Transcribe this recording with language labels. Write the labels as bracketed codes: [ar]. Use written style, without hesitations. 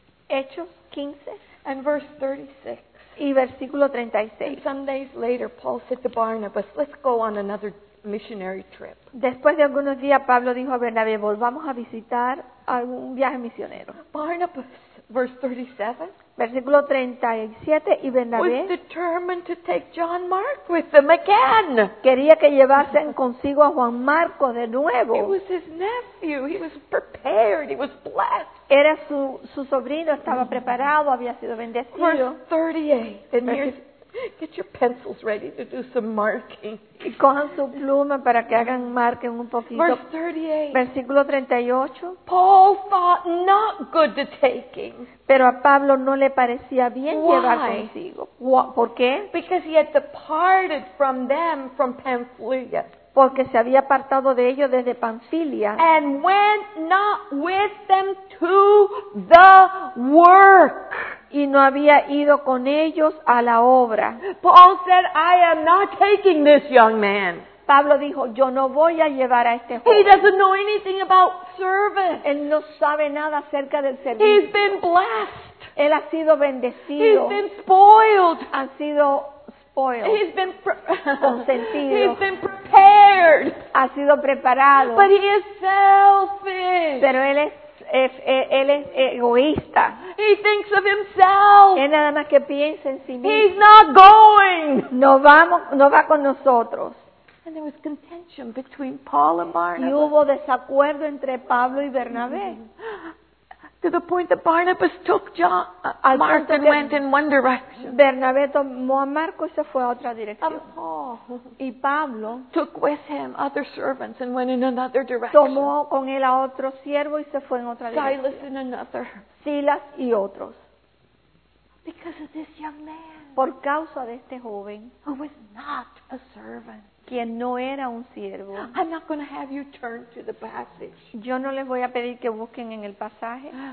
[es] Hechos 15. [en] And verse 36. [es] Y versículo 36. [en] And some days later, Paul said to Barnabas, let's go on another missionary trip. [es] Después de algunos días, Pablo dijo a Bernabé, volvamos a visitar algún viaje misionero. [en] Barnabas, verse 37. [es] Versículo 37, y Bernabé [en] was determined to take John Mark with them again. [es] Quería que llevasen consigo a Juan Marco de nuevo. [en] He was his nephew. He was prepared. He was blessed. [es] Era su sobrino, estaba preparado, había sido bendecido. [en] Verse 38. And here's get your pencils ready to do some marking. [es] Y cojan su pluma para que hagan marquen un poquito. [en] Verse 38. [es] Versículo 38. [en] Paul thought not good to taking. [es] Pero a Pablo no le parecía bien. [en] Why? [es] Llevar consigo. ¿Por qué? [en] Because he had departed from them from Pamphylia. [es] Porque se había apartado de ellos desde Pamfilia. [en] And went not with them to the work. [es] Y no había ido con ellos a la obra. [en] Paul said, I am not taking this young man. [es] Pablo dijo, yo no voy a llevar a este joven. [en] He doesn't know anything about service. [es] Él no sabe nada acerca del servicio. [en] He's been blessed. [es] Él ha sido bendecido. [en] He's been spoiled. [es] Ha sido spoiled. [en] He's been [es] consentido. [en] He's been prepared. [es] Ha sido preparado. [en] But he is selfish. [es] Pero él es egoísta. [en] He thinks of himself. [es] Él nada más que piensa en sí mismo. [en] He's not going. [es] No vamos, no va con nosotros. [en] And there was contention between Paul and Barnabas. [es] Y hubo desacuerdo entre Pablo y Bernabé. [en] To the point that Barnabas took John, Mark and went in one direction. [es] Bernabé tomó a Marco y se fue a otra dirección. [en] And Paul [es] y Pablo [en] took with him other servants and went in another direction. [es] Tomó con él a otro siervo y se fue en otra dirección. [en] Silas in another. [es] Silas y otros. [en] Because of this young man. [es] Por causa de este joven. [en] Who was not a servant. [es] Quien no era un siervo. [en] I'm not going to have you turn to the passage. [es] Yo no les voy a pedir que busquen en el pasaje.